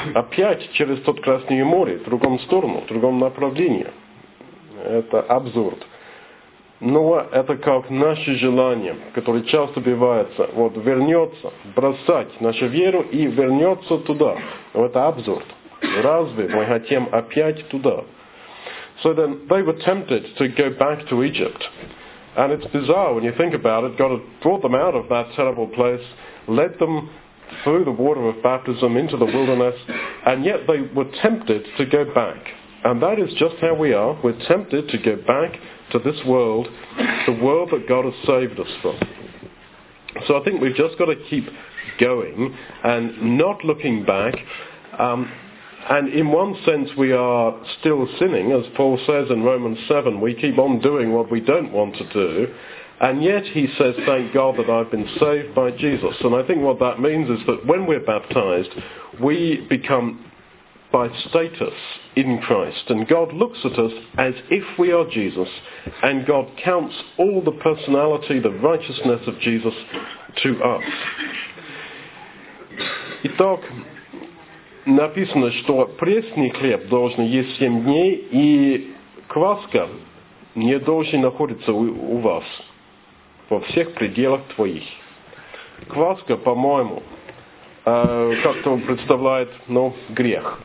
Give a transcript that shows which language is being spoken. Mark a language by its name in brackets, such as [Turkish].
[Russian] Опять через тот Красное море, в другом сторону, в другом направлении. Это абсурд. Но это как наше желание, которое часто бывается, вот вернется, бросать нашу веру и вернется туда. Но это абсурд. Разве мы хотим опять туда? [English] So then they were tempted to go back to Egypt. And it's bizarre when you think about it. God brought them out of that terrible place, led them through the water of baptism into the wilderness, and yet they were tempted to go back. And that is just how we are. We're tempted to go back to this world, the world that God has saved us from. So I think we've just got to keep going and not looking back. And in one sense, we are still sinning, as Paul says in Romans 7. We keep on doing what we don't want to do. And yet he says, thank God that I've been saved by Jesus. And I think what that means is that when we're baptized, we become by status in Christ. And God looks at us as if we are Jesus. And God counts all the personality, the righteousness of Jesus to us. [Russian] Итак, написано, что пресный хлеб должен есть 7 дней, и кваска не должен находиться у вас. Во всех пределах твоих. Кваска, по-моему, как-то он представляет, ну, грех.